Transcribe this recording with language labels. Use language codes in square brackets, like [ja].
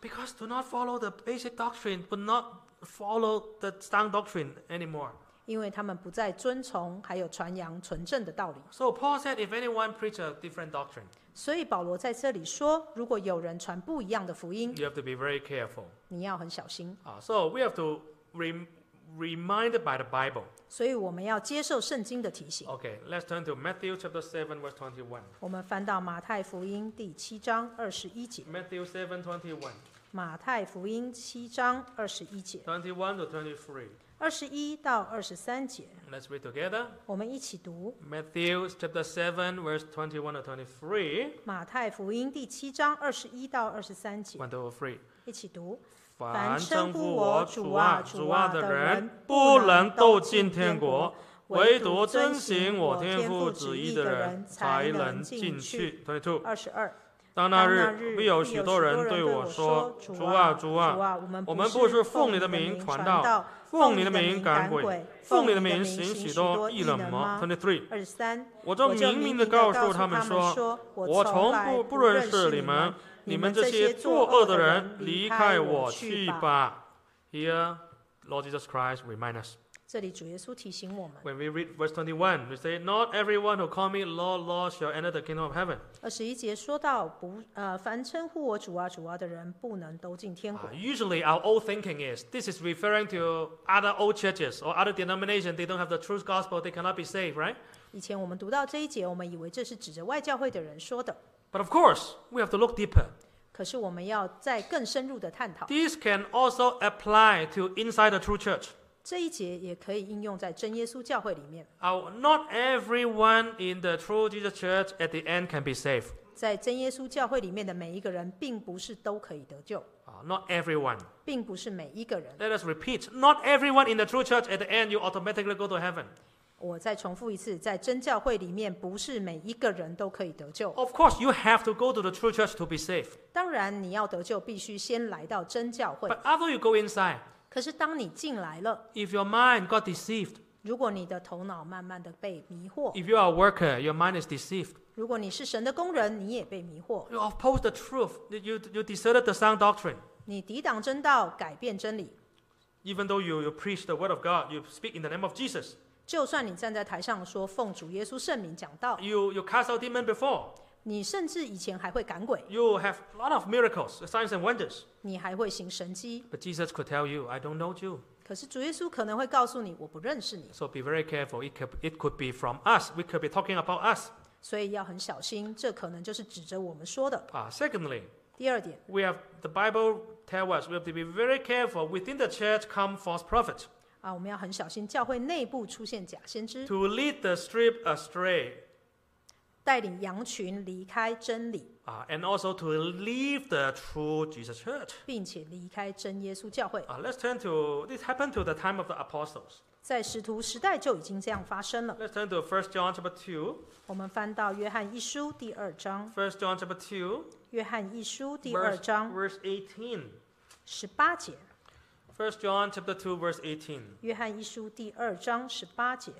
[en] Because do not follow the basic doctrine, but not follow the sound doctrine anymore. [zh] 因为他们不再遵从，还有传扬纯正的道理。 [en] So Paul said, if anyone preach a different doctrine, [zh] 所以保罗在这里说，如果有人传不一样的福音， [en] you have to be very careful. [zh] 你要很小心。 [en] So we have to reminded by the Bible. [zh] 所以我们要接受圣经的提醒。 [en] Okay, let's turn to Matthew chapter 7 verse 21. [zh] 我们翻到马太福音第七章二十一节。 [en] Matthew 7, 21. [zh] 马太福音七章二十一节。 [en] 21 to 23. [zh] 二十一到二十三节。 [en] Let's read together. [zh] 我们一起读。 [en] Matthew chapter 7 verse 21 to 23. [zh] 马太福音第七章二十一到二十三节。 [en] 1 to 3. [zh] 一起读。凡称呼我主啊、主啊的人，不能都进天国；唯独遵行我天父旨意的人，才能进去。 22。当那日必有许多人对我说，主啊主啊，我们不是奉你的名传道，奉你的名赶鬼，奉你的名行许多异能吗？ 23, 我就明明地告诉他们说，我从不认识你们，你们这些作恶的人离开我去吧。 [en] Here Lord Jesus Christ reminds us. [zh] 这里主耶稣提醒我们。 [en] When we read verse 21, we say, not everyone who calls me Lord, Lord shall enter the kingdom of heaven. [zh] 21节说到，凡称呼我主啊主啊的人不能都进天国。 [en] Usually our old thinking is, this is referring to other old churches or other denominations. They don't have the true gospel. They cannot be saved, right? [zh] 以前我们读到这一节，我们以为这是指着外教会的人说的。 [en] But of course, we have to look deeper. [zh] 可是我们要再更深入的探讨。 [en] This can also apply to inside the true church. [zh] 这一节也可以应用在真耶稣教会里面。 [en] Not everyone in the true Jesus church at the end can be saved. [zh] 在真耶稣教会里面的每一个人并不是都可以得救。 [en] Not everyone. [zh] 并不是每一个人。 [en] Let us repeat. Not everyone in the true church at the end you automatically go to heaven. [zh] 我再重复一次，在真教会里面，不是每一个人都可以得救。 [en] Of course, you have to go to the true church to be saved. [zh] 当然，你要得救，必须先来到真教会。 [en] But after you go inside, [zh] 可是当你进来了 [en] ，if your mind got deceived, [zh] 如果你的头脑慢慢的被迷惑 [en] ，if you are a worker, your mind is deceived. [zh] 如果你是神的工人，你也被迷惑。 [en] You oppose the truth. You deserted the sound doctrine. [zh] 你抵挡真道，改变真理。 [en] Even though you preach the word of God, you speak in the name of Jesus. [zh] 就算你站在台上说奉主耶稣圣名讲道 [en] you cast out demon before. [zh] 你甚至以前还会赶鬼 [en] you have a lot of miracles, signs and wonders. [zh] 你还会行神迹 [en] but Jesus could tell you, I don't know you. [zh] 可是主耶稣可能会告诉你我不认识你 [en] so be very careful, it could be from us, we could be talking about us. [zh] 所以要很小心这可能就是指着我们说的 [en] secondly, [zh] 第二点 [en] we have the Bible tell us, we have to be very careful within the church come false prophets. [zh] 我们要很小心教会内部出现假先知 [en] To lead the sheep astray [zh] 带领羊群离开真理 [en] And also to leave the true Jesus church [zh] 并且离开真耶稣教会 [en] Let's turn to This happened to the time of the apostles [zh] 在使徒时代就已经这样发生了 [en] Let's turn to 1 John chapter 2 [zh] 我们翻到约翰一书第二章 [en] 1 John chapter 2 [zh] 约翰一书第二章 [en] Verse 18 [zh] 18节 [en] 1 John chapter 2 verse 18. [zh] 约翰一书第二章十八节。